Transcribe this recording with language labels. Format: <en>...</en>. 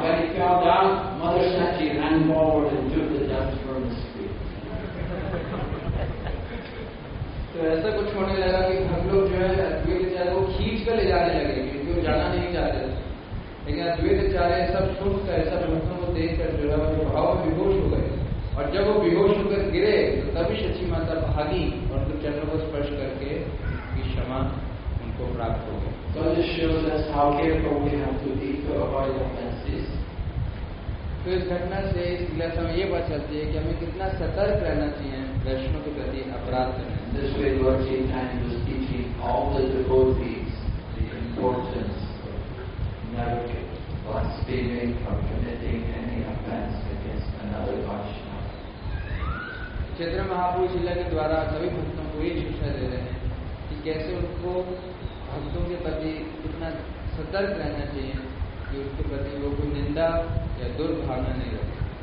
<en>When he fell down, Mother Sachi ran forward and took the dust from his feet.</en> <hi>So ऐसा कुछ होने लगा कि हम लोग जो है अद्वैत आचार्य को खींच कर ले जाने लगे, क्योंकि वो जाना नहीं चाहते थे। लेकिन अद्वैत आचार्य सब सुनकर सब भक्तों को देख कर जो है वो भाव में बेहोश हो गए, और जब वो बेहोश होकर गिरे तो तभी शची माता भागी और उनके चरणों को स्पर्श करके क्षमा उनको प्राप्त हो गई।</hi> <en>So this shows us how careful we have to be to avoid offenses.</en> <hi>तो इस घटना से इस लीला से हमें ये बात चलती है कि हमें कितना सतर्क रहना चाहिए वैष्णव के प्रति अपराध करने।</hi> <en>This way Lord Chaitanya was teaching all the devotees the importance of not blaspheming or committing any offense against another Vaishnava.</en> <hi>Chaitanya Mahaprabhu लीला के द्वारा सभी भक्तों को ये शिक्षा दे रहे हैं कि कैसे उनको भक्तों के प्रति इतना सतर्क रहना चाहिए कि उसके प्रति वो कोई निंदा या दुर्भावना नहीं रखे।</hi>